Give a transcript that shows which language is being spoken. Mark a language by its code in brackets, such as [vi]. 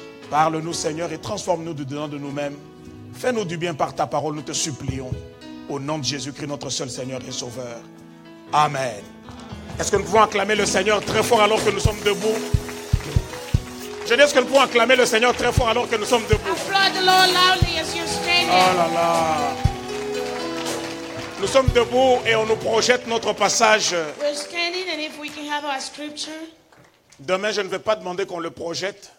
[fr] Parle-nous, Seigneur, et transforme-nous du dedans de nous-mêmes. Fais-nous du bien par ta parole, nous te supplions. Au nom de Jésus-Christ, notre seul Seigneur et Sauveur. Amen. Est-ce que nous pouvons acclamer le Seigneur très fort alors que nous sommes debout? Je dis, est-ce que nous pouvons acclamer le Seigneur très fort alors que nous sommes debout? [en] Applaud the Lord loudly as you stand. [fr] Oh là là. Nous sommes debout et on nous projette notre passage. [en] We're standing and if we can have our scripture. [fr] Demain, je ne vais pas demander qu'on le projette.